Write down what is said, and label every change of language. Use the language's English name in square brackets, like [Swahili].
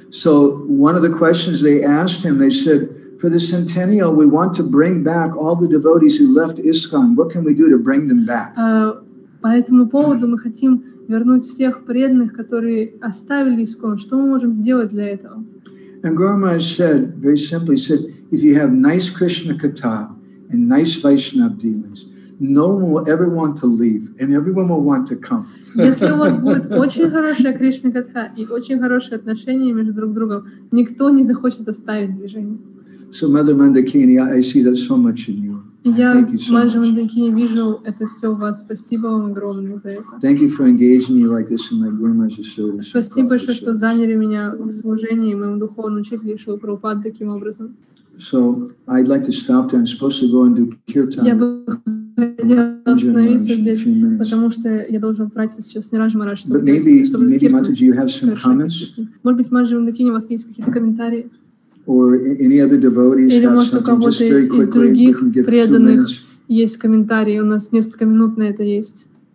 [English] So one of the questions they asked him, they said, for the centennial, we want to bring back all the devotees who left ISKCON. What can we do to bring them back? [Russian] По этому поводу мы хотим вернуть всех преданных, которые оставили ИСККОН. Что мы можем сделать для этого? [English] And Grandma said, very simply said, if you have nice Krishna Katha and nice Vaishnava dealings, no one will ever want to leave, and everyone will want to come. [Russian] Если у вас будет очень хорошая Кришна Катха и очень хорошие отношения между друг другом, никто не захочет оставить движение. [English] So, Mother Mandakini, I see that so much in you. [Russian] Я, Маджа Мандакини, вижу это все у вас. Спасибо вам огромное за это. [English] Thank you for engaging me like this in my grandma's service. [Russian] Спасибо большое, что заняли меня в служении моему духовному учителю Шрила Прабхупаде таким образом. [English] So, I'd like to stop there. I'm supposed to go and do kirtan. [Russian] Я бы хотела остановиться здесь, потому что я должен отправиться сейчас в Ниранджа Махарадж, чтобы [English] kirtan. Maybe Mataji, you have some comments? [Russian] Может быть, Маджа Мандакини, у вас есть какие-то комментарии? [English] Or any other devotees [Russian] или, может, у кого-то из других преданных есть комментарии? У нас несколько минут на это есть.